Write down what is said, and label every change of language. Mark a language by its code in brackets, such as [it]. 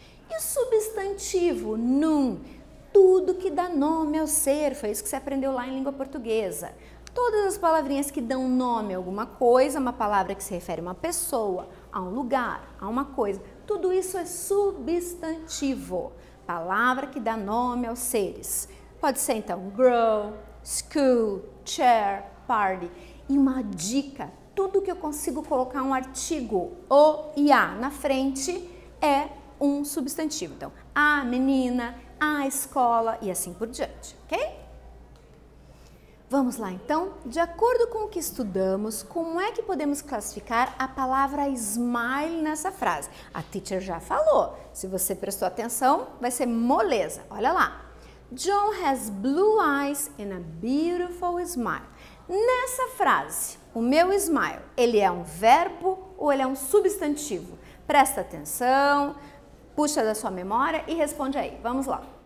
[pt] E o substantivo, num, tudo que dá nome ao ser, foi isso que você aprendeu lá em língua portuguesa. Todas as palavrinhas que dão nome a alguma coisa, uma palavra que se refere a uma pessoa, a um lugar, a uma coisa, tudo isso é substantivo, palavra que dá nome aos seres. Pode ser então [en] grow, school, chair, party. [pt] E uma dica, tudo que eu consigo colocar um artigo o e a na frente é um substantivo. Então, a menina, a escola e assim por diante, ok? Vamos lá, então. De acordo com o que estudamos, como é que podemos classificar a palavra smile nessa frase? A teacher já falou. Se você prestou atenção, vai ser moleza. Olha lá. [en] John has blue eyes and a beautiful smile. [pt] Nessa frase, o meu smile, ele é um verbo ou ele é um substantivo? Presta atenção. Puxa da sua memória e responde aí. Vamos lá.